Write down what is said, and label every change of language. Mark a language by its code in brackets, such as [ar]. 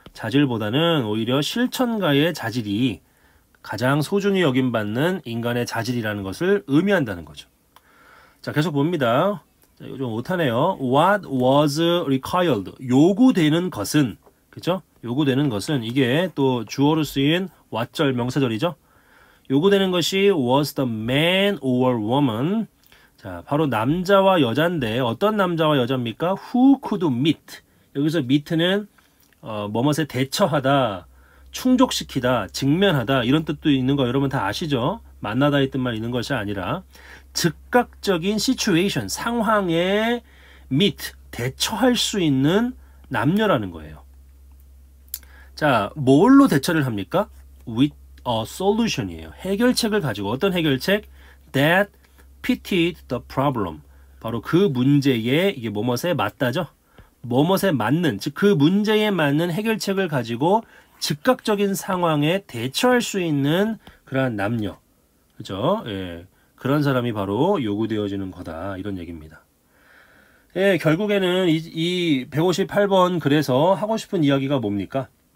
[ko] 자질보다는 오히려 실천가의 자질이 가장 소중히 여김받는 인간의 자질이라는 것을 의미한다는 거죠. 자, 계속 봅니다. 자, 이거 좀 못하네요. [en] What was required? [ko] 요구되는 것은, 그죠? 요구되는 것은, 이게 또 주어로 쓰인 what절 명사절이죠? 요구되는 것이 [en] was the man or woman? [ko] 자, 바로 남자와 여잔데, 어떤 남자와 여자입니까? [en] Who could meet? [ko] 여기서 meet는, 뭐뭇에 대처하다, 충족시키다, 직면하다, 이런 뜻도 있는 거 여러분 다 아시죠? 만나다 했던 말 있는 것이 아니라, 즉각적인 situation, 상황에 meet, 대처할 수 있는 남녀라는 거예요. 자, 뭘로 대처를 합니까? [en] With a solution이에요. [ko] 해결책을 가지고. 어떤 해결책? [en] That fitted the problem. [ko] 바로 그 문제에, 이게 뭐뭇에 맞다죠? 뭐뭇에 맞는, 즉 그 문제에 맞는 해결책을 가지고 즉각적인 상황에 대처할 수 있는 그러한 남녀. 그죠? 예. 그런 사람이 바로 요구되어지는 거다. 이런 얘기입니다. 예, 결국에는 이 158번 글에서 하고 싶은 이야기가 뭡니까?